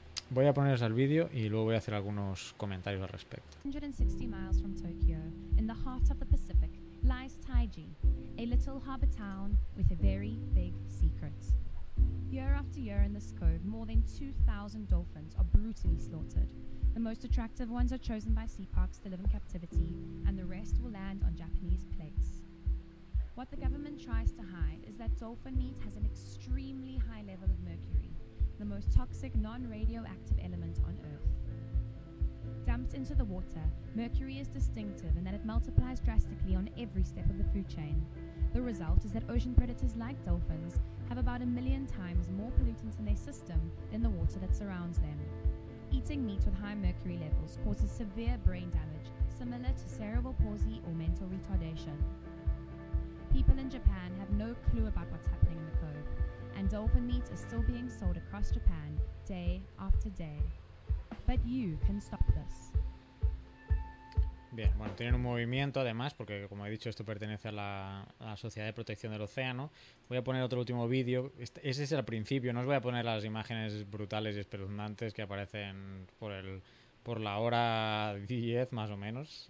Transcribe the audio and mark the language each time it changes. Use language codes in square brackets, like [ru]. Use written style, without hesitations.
[es] Voy a poneros el vídeo y luego voy a hacer algunos comentarios al respecto. [en] 160 miles from Tokyo, in the heart of the Pacific, lies Taiji, a little harbor town with a very big secret. Year after year in this cove, more than 2,000 dolphins are brutally slaughtered. The most attractive ones are chosen by sea parks to live in captivity, and the rest will land on Japanese plates. What the government tries to hide is that dolphin meat has an extremely high level of mercury, the most toxic non-radioactive element on Earth. Dumped into the water, mercury is distinctive in that it multiplies drastically on every step of the food chain. The result is that ocean predators like dolphins have about a million times more pollutants in their system than the water that surrounds them. Eating meat with high mercury levels causes severe brain damage, similar to cerebral palsy or mental retardation. People in Japan have no clue about what's happening in the cove, and dolphin meat is still being sold across Japan day after day. But you can stop this. [es] Bien, bueno, tienen un movimiento además, porque como he dicho, esto pertenece a la Sociedad de Protección del Océano. Voy a poner otro último vídeo. Ese es el principio, no os voy a poner las imágenes brutales y espeluznantes que aparecen por la hora 10 más o menos.